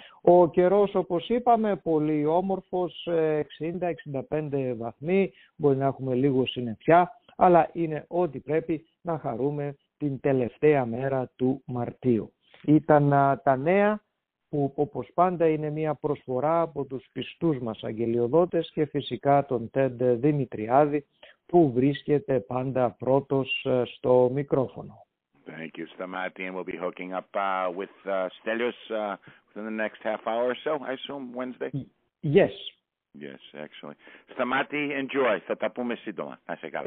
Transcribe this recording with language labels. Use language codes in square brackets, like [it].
[el] Ο καιρός, όπως είπαμε, πολύ όμορφος, 60-65 βαθμοί, μπορεί να έχουμε λίγο συννεφιά, αλλά είναι ό,τι πρέπει να χαρούμε την τελευταία μέρα του Μαρτίου. Ήταν τα νέα, που όπως πάντα είναι μια προσφορά από τους πιστούς μας αγγελιοδότες και φυσικά τον Τεντ Δημητριάδη, που βρίσκεται πάντα πρώτος στο μικρόφωνο. [en] Thank you, Stamati, and we'll be hooking up with Stelios within the next half hour or so, I assume, Wednesday? Yes. Yes, excellent. Stamati, enjoy. [el] Θα τα πούμε σύντομα. Να σε καλά.